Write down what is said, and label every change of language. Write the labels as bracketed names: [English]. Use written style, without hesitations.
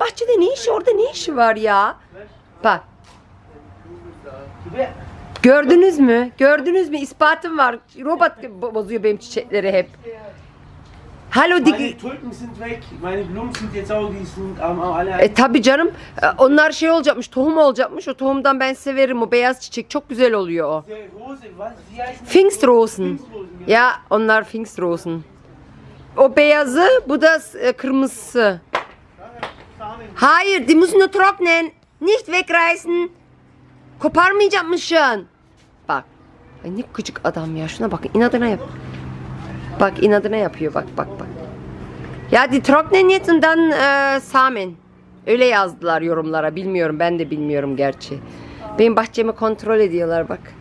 [Turkish] Bahçede ne işi, orada ne işi var ya? Bak. Gördünüz mü? Gördünüz mü? İspatım var. Robot bozuyor benim çiçekleri hep. [German] Hallo dik. Meine Tulpen sind weg. Meine Blumen sind jetzt auch die sind am alle. [Turkish] Tabii canım. Onlar şey olacakmış. Tohum olacakmış. O tohumdan ben severim o beyaz çiçek. Çok güzel oluyor o. Pfingstrosen. Ja, onlar Pfingstrosen. O beyazı, bu da kırmızısı. Hayır, [German] die müssen nur trocknen. Nicht wegreißen. [Turkish] Koparmayacakmışsın. Bak. Ay ne küçük adam ya. Şuna bakın. İnadına yap. Bak inadına yapıyor. Bak bak bak. [German] Ya die trocknen jetzt und dann samen. [Turkish] Öyle yazdılar yorumlara. Bilmiyorum. Ben de bilmiyorum gerçi. Benim bahçemi kontrol ediyorlar bak.